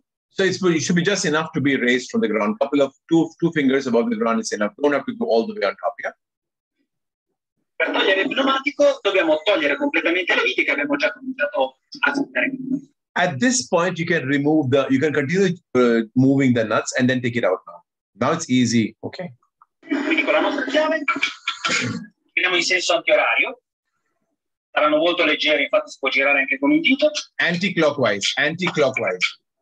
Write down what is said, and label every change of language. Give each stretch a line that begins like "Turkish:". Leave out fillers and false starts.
English: So it should be just enough to be raised from the ground. Couple of two fingers above the ground is enough. Don't have to go all the way on top, yeah?
Italian: Per togliere il pneumatico dobbiamo togliere completamente le viti che abbiamo già cominciato a sentire.
English: At this point, you can remove the, you can continue moving the nuts and then take it out now. Now it's easy, okay?
Italian: Quindi con la nostra chiave, giriamo in senso antiorario. Saranno molto leggeri, infatti si può girare anche con un dito.
English: Anti-clockwise, anti-clockwise.